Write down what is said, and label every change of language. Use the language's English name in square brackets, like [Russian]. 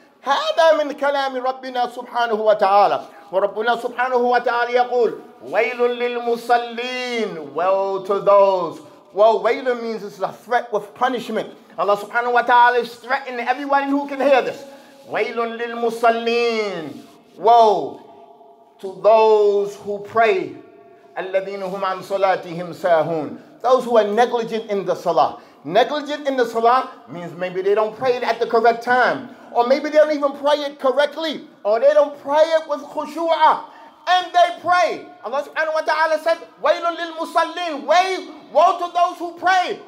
[Arabic] هذا من كلام ربنا سبحانه وتعالى وربنا سبحانه وتعالى يقول ويل للمصلين. [English] Well to those. Well, ويل means it's a threat with punishment. Allah سبحانه وتعالى is threatening everyone who can hear this. [Arabic] ويل للمصلين. [English] Well to those who pray. [Arabic] الذين هم عن صلاتهم ساهون. [English] Those who are negligent in the salah. Negligent in the salah means maybe they don't pray it at the correct time. Or maybe they don't even pray it correctly. Or they don't pray it with khushu'ah. And they pray. Allah subhanahu wa ta'ala said, [Arabic] waylun lil musallin. [English] Woe to those who pray.